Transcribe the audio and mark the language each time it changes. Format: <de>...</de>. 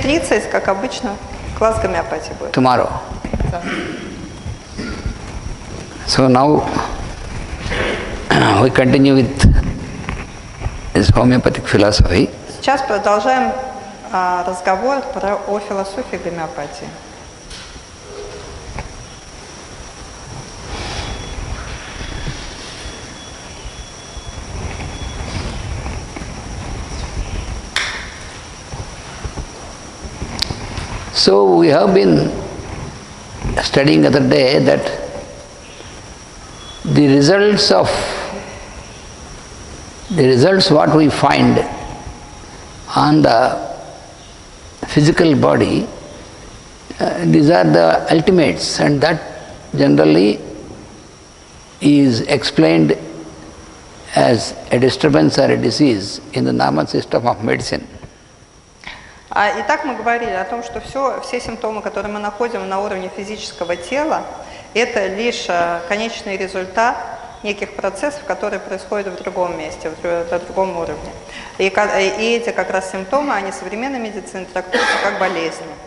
<ru>3:30, как обычно, класс гомеопатии будет.</ru> <en>Tomorrow. So now we continue with this homeopathic philosophy.</en> <ru>Сейчас продолжаем разговор о философии гомеопатии.</ru> <en>So we have been studying the other day that the results what we find on the physical body, these are the ultimates, and that generally is explained as a disturbance or a disease in the normal system of medicine.</en> <ru>Итак, мы говорили о том, что все симптомы, которые мы находим на уровне физического тела, это лишь конечный результат неких процессов, которые происходят в другом месте, на другом уровне. И эти как раз симптомы, они современной медицине трактуются как болезни.</ru>